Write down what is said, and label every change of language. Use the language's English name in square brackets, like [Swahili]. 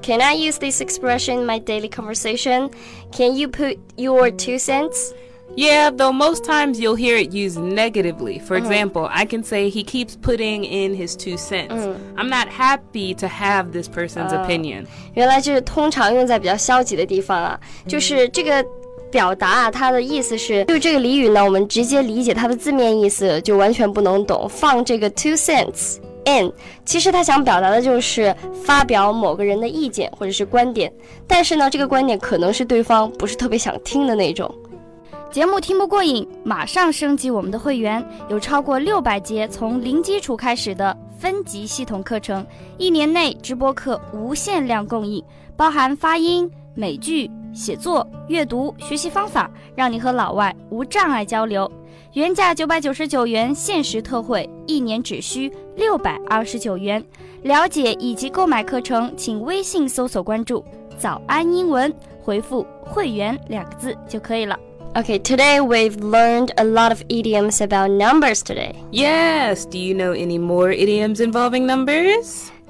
[English] Can I use this expression in my daily conversation? Can you put your 2 cents? Yeah, though most times you'll hear it used negatively. For example, I can say he keeps putting in his 2 cents. I'm not happy to have this person's opinion. [Chinese] 原来就是通常用在比较消极的地方啊，就是这个表达啊，它的意思是，就这个俚语呢，我们直接理解它的字面意思就完全不能懂。放这个 two cents in， 其实他想表达的就是发表某个人的意见或者是观点，但是呢，这个观点可能是对方不是特别想听的那种。节目听不过瘾，马上升级我们的会员，有超过600节从零基础开始的分级系统课程，一年内直播课无限量供应，包含发音、美剧、写作、阅读、学习方法，让你和老外无障碍交流。原价999元，限时特惠，一年只需629元。了解以及购买课程，请微信搜索关注“早安英文”，回复“会员”两个字就可以了。 [English] Okay, today we've learned a lot of idioms about numbers today. Yes, do you know any more idioms involving numbers?